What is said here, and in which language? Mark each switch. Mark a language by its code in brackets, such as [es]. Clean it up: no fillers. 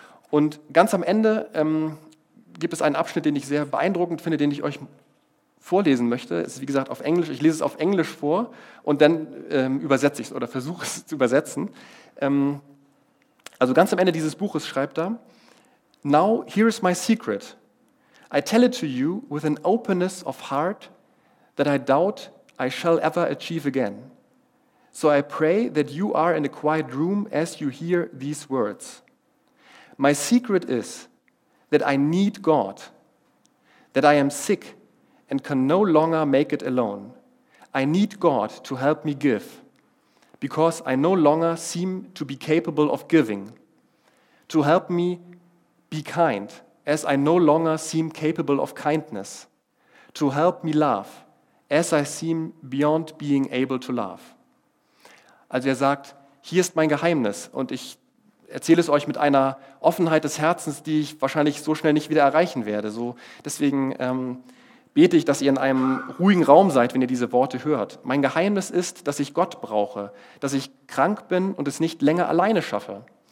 [de] Und ganz am Ende gibt es einen Abschnitt, den ich sehr beeindruckend finde, den ich euch vorlesen möchte. Es ist wie gesagt auf Englisch. Ich lese es auf Englisch vor und dann übersetze ich es oder versuche es zu übersetzen. Also ganz am Ende dieses Buches schreibt er: [en] Now here is my secret. I tell it to you with an openness of heart that I doubt I shall ever achieve again. So I pray that you are in a quiet room as you hear these words. My secret is that I need God, that I am sick and can no longer make it alone. I need God to help me give, because I no longer seem to be capable of giving, to help me be kind, as I no longer seem capable of kindness, to help me love, as I seem beyond being able to love. [de] Also er sagt, hier ist mein Geheimnis und ich erzähle es euch mit einer Offenheit des Herzens, die ich wahrscheinlich so schnell nicht wieder erreichen werde. So, deswegen bete ich, dass ihr in einem ruhigen Raum seid, wenn ihr diese Worte hört. Mein Geheimnis ist, dass ich Gott brauche, dass ich krank bin und es nicht länger alleine schaffe.